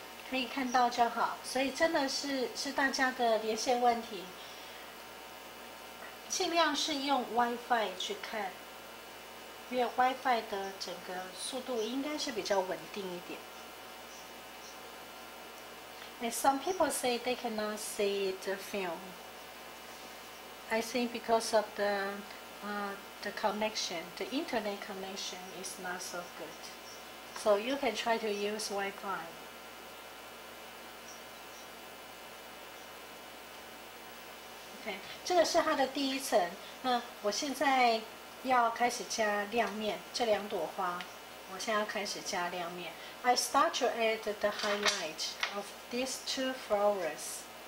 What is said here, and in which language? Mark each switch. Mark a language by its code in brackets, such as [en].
[zh] 可以看到就好，所以真的是大家的连线问题，尽量是用 WiFi 去看，因为 WiFi 的整个速度应该是比较稳定一点。 [en] And some people say they cannot see the film. I think because of the connection, the internet connection is not so good. So you can try to use WiFi. [zh] 这个是它的第一层，那我现在要开始加亮面，这两朵花我现在要开始加亮面。 [en] I start to add the highlight of these two flowers.